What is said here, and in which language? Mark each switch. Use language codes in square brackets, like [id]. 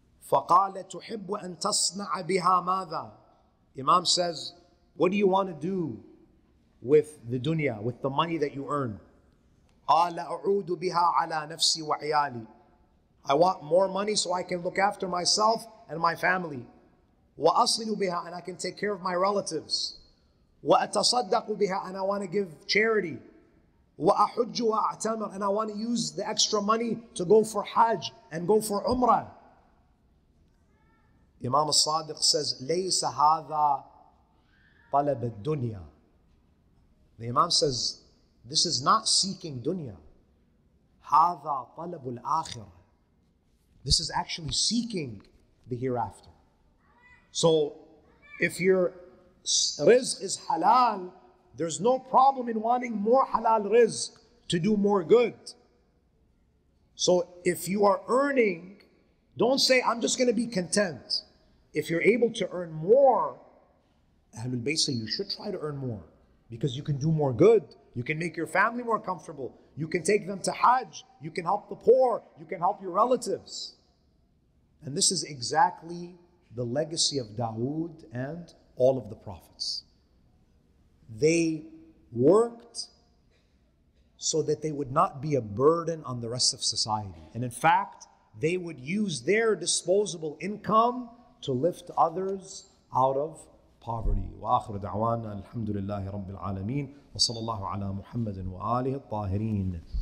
[ar] فَقَالَ تُحِبُّ أَن تَصْنَعَ بِهَا مَاذَا. [en] Imam says, what do you want to do with the dunya, with the money that you earn? [ar] قَالَ أَعُودُ بِهَا عَلَى نَفْسِي وَعِيَالِي. [en] I want more money so I can look after myself and my family. [ar] وَأَصْلِنُ بِهَا, [en] and I can take care of my relatives. [ar] وَأَتَصَدَّقُ بِهَا, [en] and I want to give charity. [ar] وَأَحُجُّ وَأَعْتَمَرُ, [en] and I want to use the extra money to go for Hajj and go for Umrah. Imam al-Sadiq says, [ar] لَيْسَ هَذَا طَلَبَ الدُّنْيَا. [en] The Imam says, this is not seeking dunya. [ar] هَذَا طَلَبُ الْآخِرَةِ. [en] This is actually seeking the hereafter. So if your rizq is halal, there's no problem in wanting more halal rizq to do more good. So if you are earning, don't say, I'm just going to be content. If you're able to earn more, Ahlul Bayt say, you should try to earn more. Because you can do more good. You can make your family more comfortable. You can take them to Hajj. You can help the poor. You can help your relatives. And this is exactly the legacy of Dawood and all of the prophets. They worked so that they would not be a burden on the rest of society. And in fact, they would use their disposable income to lift others out of poverty. [ar] وآخر دعوانا الحمد لله رب العالمين وصلى الله على محمد وآله الطاهرين.